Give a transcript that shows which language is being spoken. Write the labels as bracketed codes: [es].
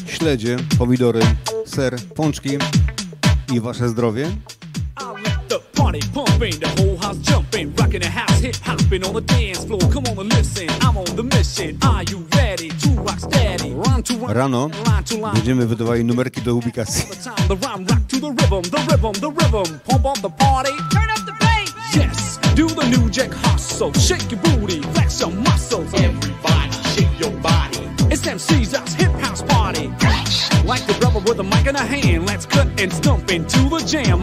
[pl] Śledzie, pomidory, ser, pączki i wasze zdrowie. [en] Party pumping, the whole house jumping, rocking the house, hip hopping on the dance floor. Come on and listen, I'm on the mission. Are you ready to rock steady? Run to run. [pl] Rano, będziemy wydawali numerki do ubikacji. [en] The rhyme, rock to the rhythm, the rhythm, the rhythm. Pump on the party, turn up the bass. Yes, do the new jack hustle, shake your booty, flex your muscles. Everybody, shake your body. It's MC's house, hip house party. Like the rubber with a mic in a hand. Let's cut and stomp into the jam.